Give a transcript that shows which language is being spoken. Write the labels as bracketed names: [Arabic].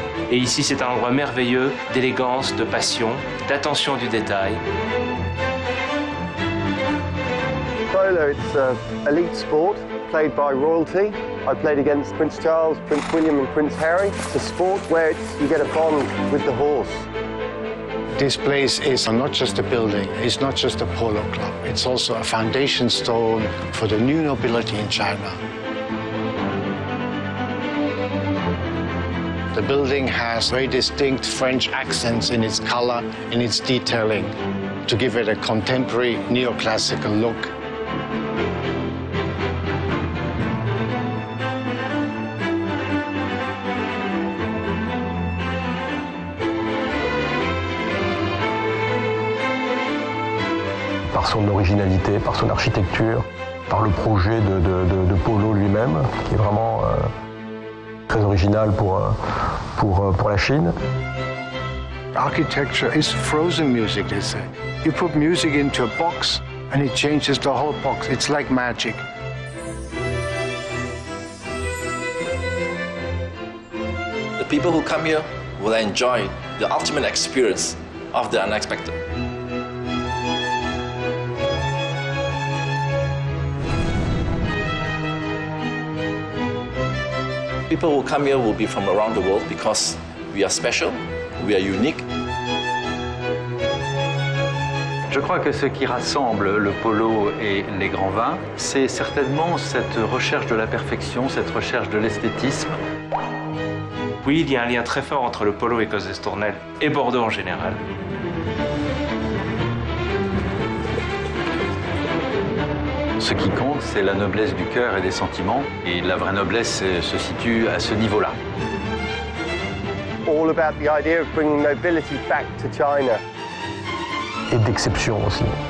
[French] Et ici, c'est un endroit merveilleux d'élégance, de passion, d'attention du détail. [English] Polo, it's an elite sport played by royalty. I played against Prince Charles, Prince William, and Prince Harry. It's a sport where you get a bond with the horse. This place is not just a building, it's not just a polo club. It's also a foundation stone for the new nobility in China. The building has very distinct French accents in its color, in its detailing, to give it a contemporary neoclassical look. [French] Par son originalité, par son architecture, par le projet de Polo lui-même, qui est vraiment très original pour la Chine. [English] Architecture is frozen music, they say. You put music into a box and it changes the whole box. It's like magic. The people who come here will enjoy the ultimate experience of the unexpected. People who come here will be from around the world because we are special, we are unique. [French] Je crois que ce qui rassemble le polo et les grands vins, c'est certainement cette recherche de la perfection, cette recherche de l'esthétisme. Oui, il y a un lien très fort entre le polo et Écosse d'Estournel et Bordeaux en général. Ce qui compte, c'est la noblesse du cœur et des sentiments. Et la vraie noblesse se situe à ce niveau-là. [English] All about the idea of bringing nobility back to China. [French] Et d'exception aussi.